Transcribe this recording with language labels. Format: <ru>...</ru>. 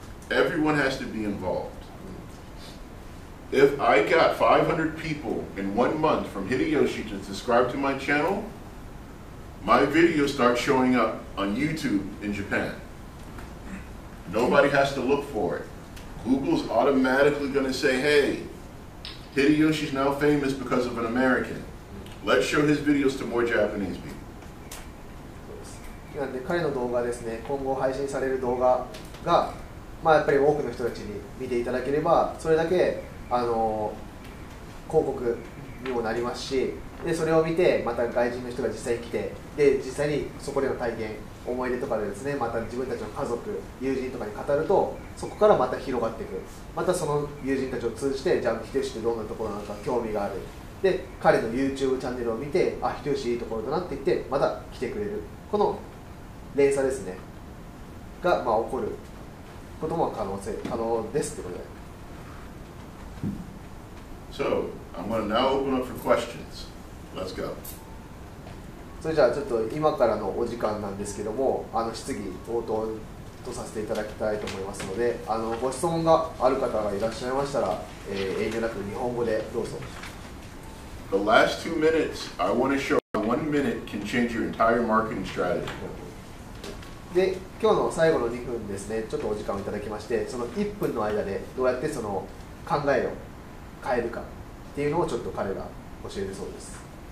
<en>Everyone has to be involved. If I got 500 people in 1 month from Hideyoshi to subscribe to my channel, my video starts showing up on YouTube in Japan. Nobody has to look for it. Google's automatically going to say, hey, Hideyoshi's now famous because of an American. Let's show his videos to more Japanese people.</en> <ja>なので彼の動画ですね、今後配信される動画が、まあ、やっぱり多くの人たちに見ていただければ、それだけ広告にもなりますし、でそれを見てまた外人の人が実際に来て、で実際にそこでの体験思い出とかでですね、また自分たちの家族友人とかに語ると、そこからまた広がっていく、またその友人たちを通じて、じゃあ秀吉ってどんなところなのか興味がある、で彼の YouTube チャンネルを見て、あ秀吉いいところだなって言ってまた来てくれる、この連鎖ですねが、まあ、起こることも可能ですってことで。</ja> <en>So, I'm going to now open up for questions. Let's go.</en> <ja>それじゃあちょっと今からのお時間なんですけども、あの質疑応答とさせていただきたいと思いますので、あのご質問がある方がいらっしゃいましたら、遠慮なく日本語でどうぞ。</ja> <en>The last 2 minutes, I want to show how 1 minute can change your entire marketing strategy.</en> <ja>で、今日の最後の2分ですね、ちょっとお時間をいただきまして、その1分の間でどうやってその考えを変えるかっていうのをちょっと彼が教えるそうです。</ja>